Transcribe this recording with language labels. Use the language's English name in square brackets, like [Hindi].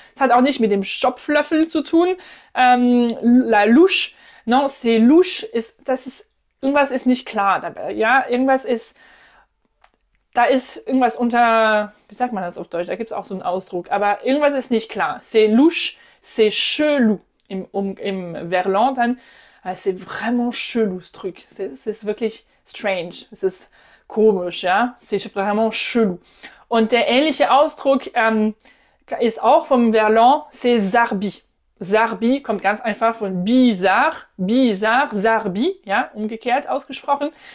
[German] Das hat auch nicht mit dem Schopflöffel zu tun. La Lusche. [French] Non, c'est Lusche. [German] Irgendwas ist nicht klar dabei. Ja, irgendwas ist. Da ist irgendwas unter. Wie sagt man das auf Deutsch? Da gibt es auch so einen Ausdruck. Aber irgendwas ist nicht klar. [French] C'est Lusche, c'est chelou. [German] Im Verlan dann, [French] c'est vraiment chelou, ce truc. [German] Es ist wirklich strange. Es ist komisch, ja. [French] C'est vraiment chelou. [German] Und der ähnliche Ausdruck ist auch vom Verlan, [French] c'est zarbi. [German] Zarbi kommt ganz einfach von bizarre, bizarre, zarbi, ja, umgekehrt ausgesprochen.